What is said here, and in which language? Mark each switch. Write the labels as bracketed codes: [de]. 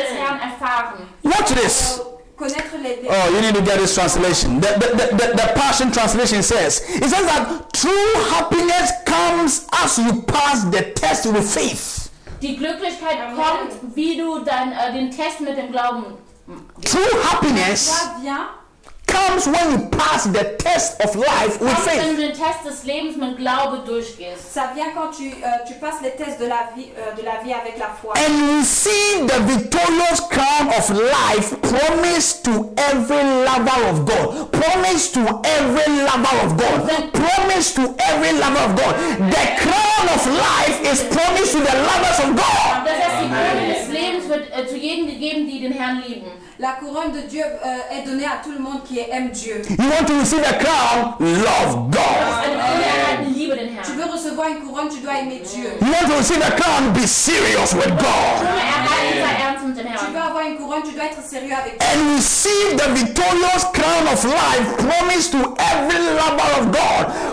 [en] Watch this. Oh, you need to get this translation. The Passion Translation says, it says that true happiness comes as you pass the test with faith. [de] Die Glücklichkeit kommt, wie du dann den Test mit dem Glauben. [en] True happiness comes when you pass the test of life with faith. [de] Wenn du den Test des Lebens mit Glaube durchgehst. [fr] Ça vient quand tu passes les tests de la vie avec la foi. [en] And you see the victorious crown of life promised to every lover of God. Promised to every lover of God. Promised to every lover of God. The crown of life is promised to the lovers of God. [de] Das heißt, die Krone des Lebens wird zu jedem gegeben, die den Herrn lieben. [fr] La couronne de Dieu est donnée à tout le monde qui aime Dieu. [en] You want to receive a crown? Love God. [fr] Tu veux recevoir une couronne, tu dois aimer Dieu. [en] You want to receive a crown? Be serious with God. [fr] Tu veux avoir une couronne, tu dois être sérieux avec Dieu. [en] And receive the victorious crown of life promised to every lover of God.